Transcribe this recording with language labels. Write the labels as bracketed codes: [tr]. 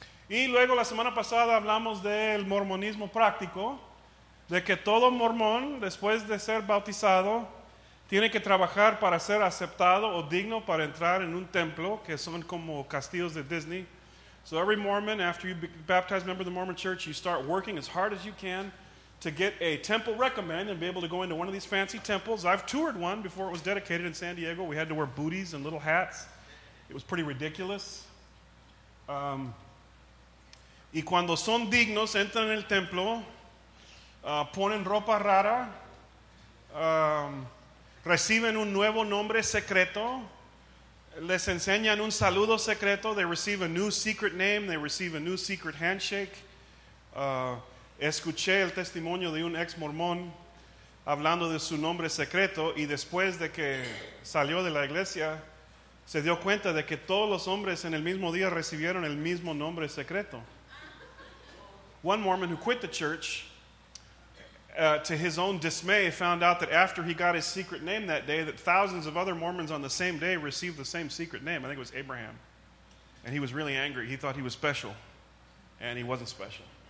[es] Y luego la semana pasada hablamos del mormonismo práctico, de que todo mormón, después de ser bautizado, tiene que trabajar para ser aceptado o digno para entrar en un templo, que son como castillos de Disney. [en] So every Mormon, after you baptize a member of the Mormon Church, you start working as hard as you can to get a temple recommend and be able to go into one of these fancy temples. I've toured one before it was dedicated in San Diego. We had to wear booties and little hats. It was pretty ridiculous. [es] Y cuando son dignos, entran en el templo, ponen ropa rara, reciben un nuevo nombre secreto, les enseñan un saludo secreto, [en] they receive a new secret name, they receive a new secret handshake. [es] Escuché el testimonio de un ex mormón hablando de su nombre secreto, y después de que salió de la iglesia, se dio cuenta de que todos los hombres en el mismo día recibieron el mismo nombre secreto. [en] One Mormon who quit the church, to his own dismay, found out that after he got his secret name that day, that thousands of other Mormons on the same day received the same secret name. I think it was Abraham. And he was really angry. He thought he was special. And he wasn't special.